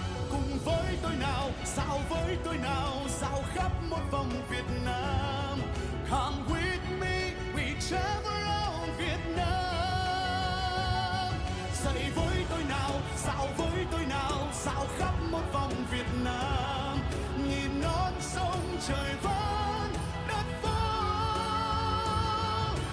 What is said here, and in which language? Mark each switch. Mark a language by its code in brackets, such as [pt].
[vi] Cùng với tôi nào, sao với tôi nào, sao khắp một vòng Việt Nam. [en] Come with me, we travel around Việt Nam. [vi] Dậy với tôi nào, sao với tôi nào, sao khắp một vòng Việt Nam. Nhìn non sông trời vẫn đất vỡ.